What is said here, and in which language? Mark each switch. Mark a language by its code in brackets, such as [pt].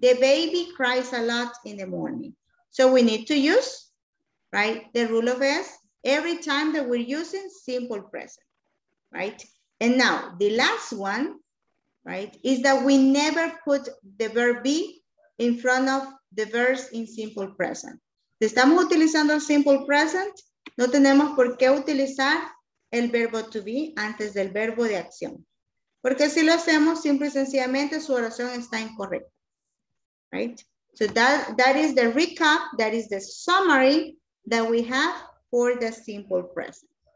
[en] The baby cries a lot in the morning. So we need to use, right, the rule of S every time that we're using simple present, right? And now the last one, right, is that we never put the verb be in front of the verbs in simple present. [es] Si estamos utilizando el simple present, no tenemos por qué utilizar el verbo to be antes del verbo de acción. Porque si lo hacemos, simple y sencillamente su oración está incorrecta, [en] right? So that is the recap, that is the summary that we have for the simple present.